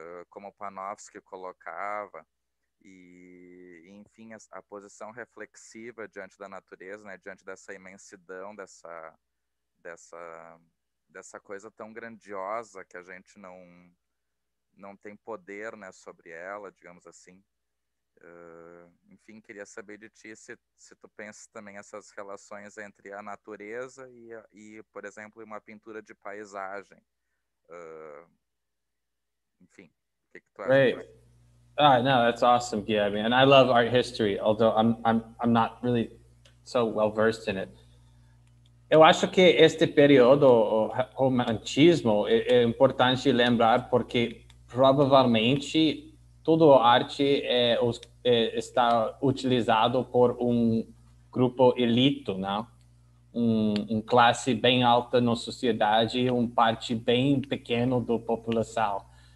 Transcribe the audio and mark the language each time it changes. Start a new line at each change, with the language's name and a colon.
Portuguese: como Panofsky colocava, e enfim, a posição reflexiva diante da natureza, né, diante dessa imensidão, dessa coisa tão grandiosa que a gente não tem poder, né, sobre ela, digamos assim. Enfim, queria saber de ti se tu pensa também essas relações entre a natureza e por exemplo, uma pintura de paisagem. Enfim, o que tu acha?
English: Ah, no, that's awesome, Gia. I mean, and I love art history, although I'm not really so well versed in it.
Portuguese: Eu acho que este período, o romantismo, é importante lembrar porque provavelmente toda a arte está utilizado por um grupo elito, né? Uma classe bem alta na sociedade, uma parte bem pequena da população.